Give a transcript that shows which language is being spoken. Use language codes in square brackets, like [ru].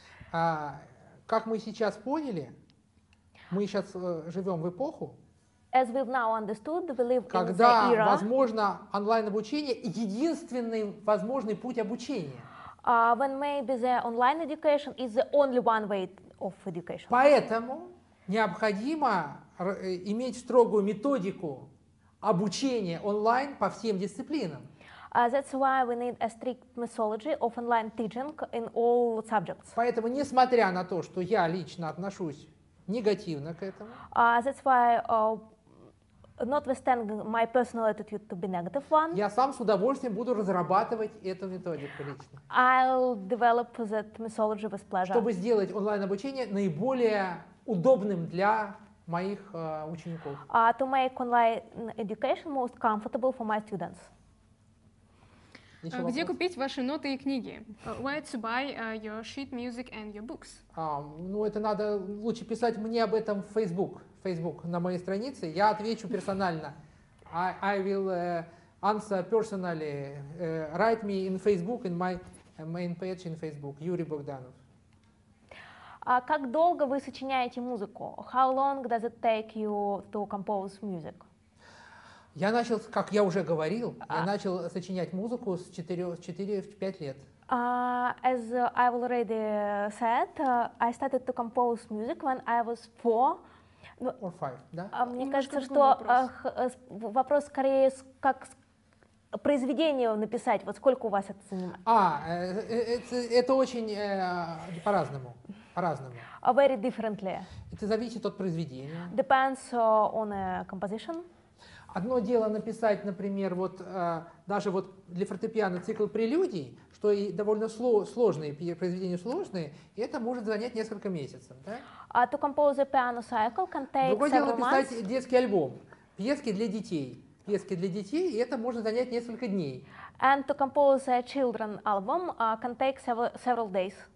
[ru] Как мы сейчас поняли, мы сейчас живем в эпоху, [en] as we've now understood, we live [ru] когда, [en] in the era, [ru] возможно, онлайн-обучение — единственный возможный путь обучения. [en] When maybe the online education is the only one way of education. [ru] Поэтому необходимо иметь строгую методику обучения онлайн по всем дисциплинам. [en] That's why we need a strict methodology of online teaching in all subjects. [ru] Поэтому, несмотря на то, что я лично отношусь негативно к этому, [en] That's why, notwithstanding my personal attitude to be negative one, [ru] я сам с удовольствием буду разрабатывать эту методику лично. [en] I'll develop that methodology with pleasure. [ru] Чтобы сделать онлайн-обучение наиболее удобным для моих учеников. [en] To make online education most comfortable for my students. [ru] Где купить ваши ноты и книги? [en] Where to buy your sheet music and your books? [ru] Ну, это надо лучше писать мне об этом в Facebook. Facebook на моей странице. Я отвечу персонально. [en] I will answer personally. Write me in Facebook, in my main page in Facebook. Юрий Богданов. [ru] Как долго вы сочиняете музыку? [en] How long does it take you to compose music? [ru] Я начал, как я уже говорил, я начал сочинять музыку с 4-5 лет. [en] As I already said, I started to compose music when I was 4. No, or 5, да? [ru] Мне кажется, что вопрос скорее как произведение написать, вот сколько у вас это занимает? Это очень по-разному. По-разному. [en] Very differently. [ru] Это зависит от произведения. [en] Depends on a composition. [ru] Одно дело написать, например, вот даже вот для фортепиано цикл прелюдий, что и довольно сложные произведения сложные, и это может занять несколько месяцев, да? [en] To compose a piano cycle can take [ru] Другое дело написать [en] months. [ru] Детский альбом, пьески для детей. Пьески для детей, и это может занять несколько дней. [en] And to compose a children album can take several days.